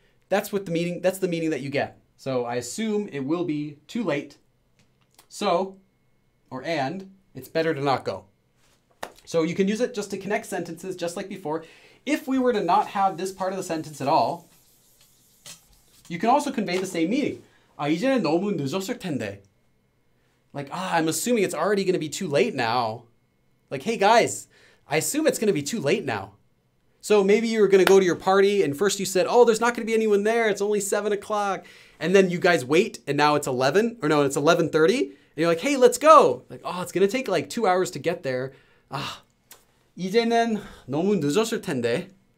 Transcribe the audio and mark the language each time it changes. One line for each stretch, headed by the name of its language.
English: That's the meaning that you get. So I assume it will be too late. And it's better to not go. So you can use it just to connect sentences, just like before. If we were to not have this part of the sentence at all, you can also convey the same meaning.
Korean: 이제는 너무 늦었을 텐데.
English: Like, I'm assuming it's already going to be too late now. Like, hey guys, I assume it's going to be too late now. So maybe you were going to go to your party and first you said, oh, there's not going to be anyone there. It's only 7 o'clock. And then you guys wait and now it's 11 or no, it's 11:30. And you're like, hey, let's go. Like, oh, it's going to take like 2 hours to get there.
Korean: 이제는 너무 늦었을 텐데.